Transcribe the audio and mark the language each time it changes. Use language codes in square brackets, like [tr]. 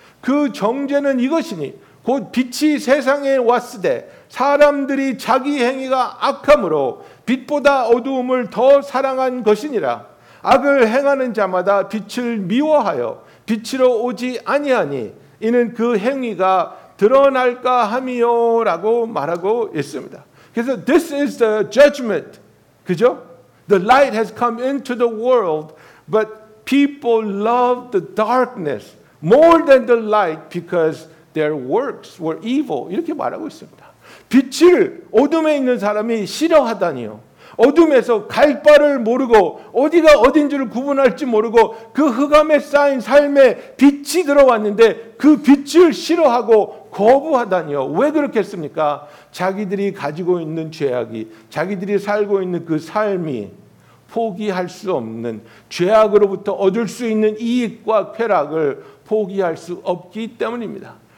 [ko] 그 정죄는 이것이니 곧 빛이 세상에 왔으되 사람들이 자기 행위가 악함으로 빛보다 어두움을 더 사랑한 것이니라. 악을 행하는 자마다 빛을 미워하여 빛으로 오지 아니하니 이는 그 행위가 드러날까 함이요 라고 말하고 있습니다. 그래서 [en] this is the judgment. [ko] 그죠? [en] The light has come into the world, but people love the darkness more than the light because their works were evil. [ko] 이렇게 말하고 있습니다. 빛을 어둠에 있는 사람이 싫어하다니요. 어둠에서 갈 바를 모르고 어디가 어딘지를 구분할지 모르고 그 흑암에 쌓인 삶에 빛이 들어왔는데 그 빛을 싫어하고 거부하다니요. 왜 그렇겠습니까? 자기들이 가지고 있는 죄악이 자기들이 살고 있는 그 삶이 포기할 수 없는 죄악으로부터 얻을 수 있는 이익과 쾌락을 포기할 수 없기 때문입니다.